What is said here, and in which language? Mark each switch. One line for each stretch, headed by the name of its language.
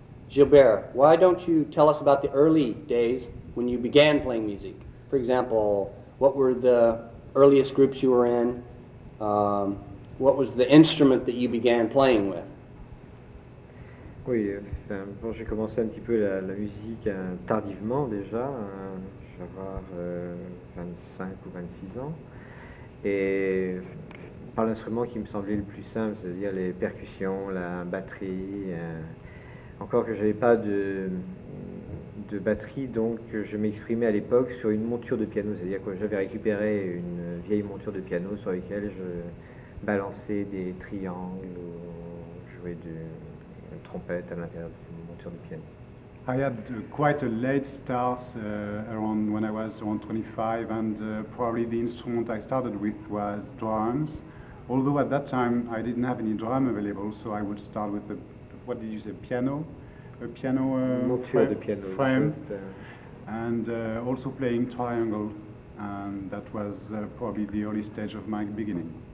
English: Gilbert, why don't you tell us about the early days when you began playing music? For example, what were the earliest groups you were in? What was the instrument that you began playing with?
French: Oui, bon, j'ai commencé un petit peu la musique tardivement déjà, hein, j'avais 25 ou 26 ans, et par l'instrument qui me semblait le plus simple, c'est-à-dire les percussions, la batterie, encore que je n'avais pas de batterie, donc je m'exprimais à l'époque sur une monture de piano, c'est-à-dire que j'avais récupéré une vieille monture de piano sur laquelle je balançais des triangles ou jouais de trompette à l'intérieur de cette monture de piano.
English: I had quite a late start around when I was around 25, and probably the instrument I started with was drums. Although at that time I didn't have any drum available, so I would start with a piano frame, and also playing triangle, and that was probably the early stage of my beginning.